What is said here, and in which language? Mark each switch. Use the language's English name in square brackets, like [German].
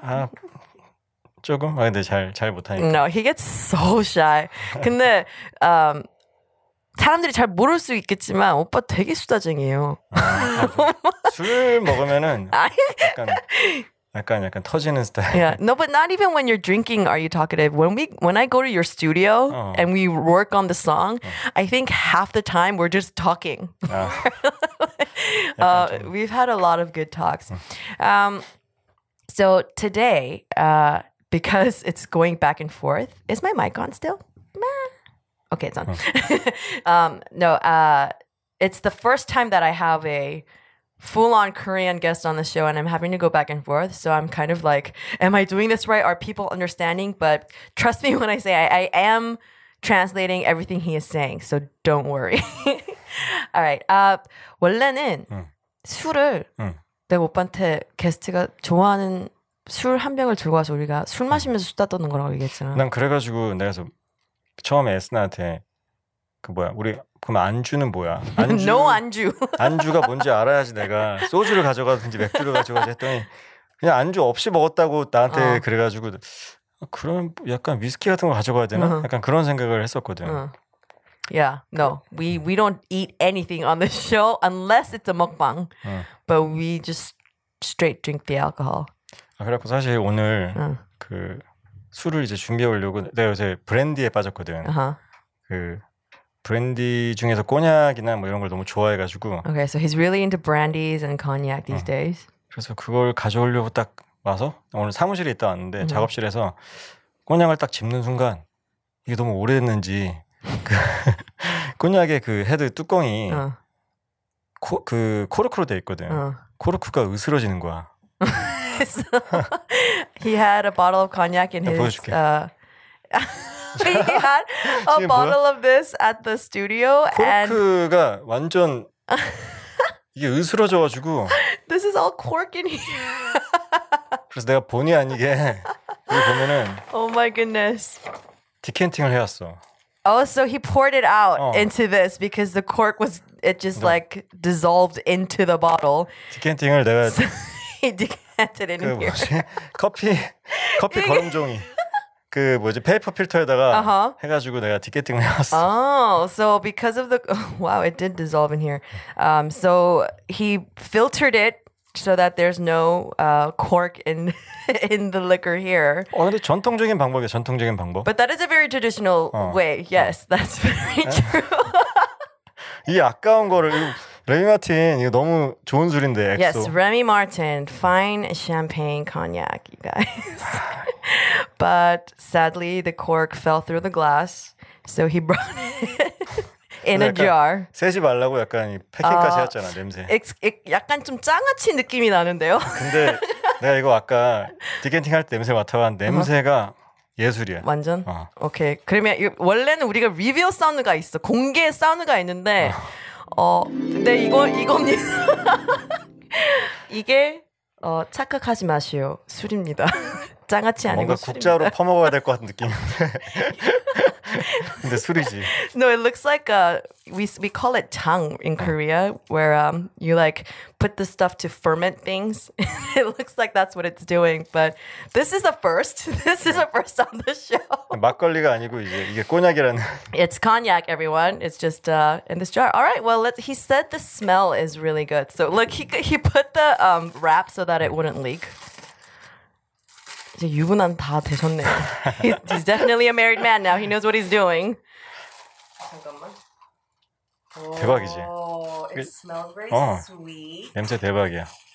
[Korean] 아, 조금? 아, 근데 잘 못하니까. [English] No, he gets so shy. [Korean] 근데 사람들이 잘 모를 수 있겠지만 오빠 되게 수다쟁이에요. 아, 술 먹으면은 약간 터지는 스타일. [English] Yeah. No, but not even when you're drinking are you talkative. When I go to your studio and we work on the song, I think half the time we're just talking. 아. we've had a lot of good talks. So today, because it's going back and forth, is my mic on still? Okay, it's on. it's the first time that I have a full-on Korean guest on the show, and I'm having to go back and forth. So I'm kind of like, am I doing this right? Are people understanding? But trust me when I say I am translating everything he is saying. So don't worry. All right. [Korean] 원래는 술을 내 오빠한테 게스트가 좋아하는 술 한 병을 들고 와서 우리가 술 마시면서 수다 떠는 거라고 얘기했잖아. 난 그래가지고 내가 좀 처음에 에스나한테 그 뭐야 우리 그럼 안주는 뭐야? 안주, [English] no [Korean] 안주. 안주가 뭔지 알아야지 내가 소주를 가져가든지 맥주를 가져가든지 했더니 그냥 안주 없이 먹었다고 나한테 그래가지고 그럼 약간 위스키 같은 거 가져가야 되나? 약간 그런 생각을 했었거든. [English] Yeah, no. We don't eat anything on the show unless it's a mukbang. But we just straight drink the alcohol. [Korean] 아, 그래갖고 사실 오늘 그 술을 이제 준비해 오려고 내가 요새 브랜디에 빠졌거든. Uh-huh. 그 브랜디 중에서 꼬냑이나 뭐 이런 걸 너무 좋아해가지고. [English] Okay, so he's really into brandies and cognac these days. [Korean] 그래서 그걸 가져오려고 딱 와서 오늘 사무실에 있다 왔는데 작업실에서 꼬냑을 딱 집는 순간 이게 너무 오래됐는지 그 꼬냑의 그 헤드 뚜껑이 그 코르크로 돼 있거든. 코르크가 으스러지는 거야. [English] So he had a bottle of cognac in his. he had a bottle [Korean] 뭐야? [English] of this at the studio, [Korean] 코르크가 [English] and [Korean] 완전 이게 으스러져가지고. [English] This is all cork in here. [Korean] 그래서 내가 본의 아니게 이거 보면은. [English] Oh my goodness. [Korean] 디켄팅을 해왔어. [English] Oh, so he poured it out into this because the cork was it just like dissolved into the bottle. [Korean] 디켄팅을 내가. [English] So, he decanted in 그 here. [Korean] 뭐지? 커피 거름종이. 그 뭐지? 페이퍼 필터에다가 uh-huh. 해가지고 내가 디켄팅을 해왔어. [English] Oh, so because of the... Wow, it did dissolve in here. So he filtered it so that there's no cork in in the liquor here. [Korean] 어, 근데 전통적인 방법이야, 전통적인 방법. [English] But that is a very traditional 어. way. Yes, 어. that's very 네? true. [Korean] 이 아까운 거를 레미 마틴 이거 너무 좋은 술인데. 엑소. [English] Yes, Remy Martin, fine champagne cognac, you guys. But sadly, the cork fell through the glass, so he brought it. In a jar. [Korean] 세지 말라고 약간 이 패킹까지 했잖아 냄새. 약간 좀 짱아치 느낌이 나는데요. 근데 내가 이거 아까 디겐팅 할 때 냄새 맡아봤는데 냄새가 예술이야. 완전. 어. 오케이. 그러면 원래는 우리가 리뷰 사운드가 있어. 공개 사운드가 있는데 근데 이겁니다. 이게 착각하지 마시오. 술입니다. 짱아치 아니고 뭔가 술입니다. 국자로 퍼먹어야 될 것 같은 느낌인데. 근데 술이지. [English] No, it looks like we call it 장 in Korea, where you like put the stuff to ferment things. It looks like that's what it's doing. But this is the first. This is the first on the show. [Korean] 막걸리가 아니고 이제 이게 꼬냑이라는. [English] It's cognac, everyone. It's just in this jar. All right. Well, he said the smell is really good. So look, he put the wrap so that it wouldn't leak. [Korean] 이제 유부남 다 되셨네요. [English] He's definitely a married man now. He knows what he's doing. [Korean] 잠깐만. 대박이지. [English] It smells very sweet. [Korean] 냄새 대박이야.